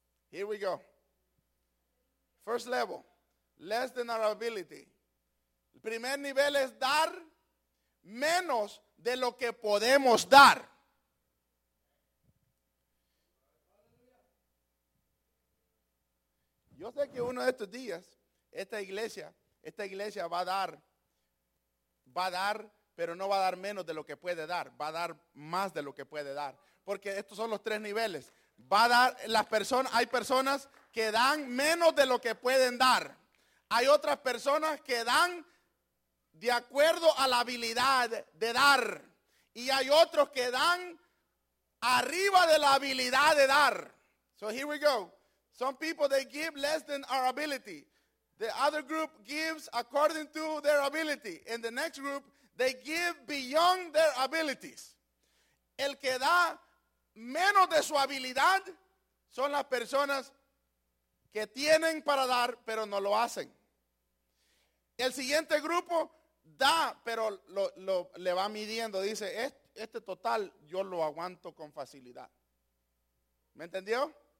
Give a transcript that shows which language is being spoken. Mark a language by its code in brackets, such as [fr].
[en] Here we go. First level, less than our ability. [es] El primer nivel es dar menos de lo que podemos dar. Yo sé que uno de estos días, esta iglesia va a dar, pero no va a dar menos de lo que puede dar, va a dar más de lo que puede dar. Porque estos son los tres niveles. Va a dar, hay personas que dan menos de lo que pueden dar. Hay otras personas que dan de acuerdo a la habilidad de dar. Y hay otros que dan arriba de la habilidad de dar. [en] So here we go. Some people, they give less than our ability. The other group gives according to their ability. In the next group, they give beyond their abilities. [es] El que da menos de su habilidad son las personas que tienen para dar, pero no lo hacen. El siguiente grupo da, pero lo le va midiendo. Dice, este total yo lo aguanto con facilidad. ¿Me entendió?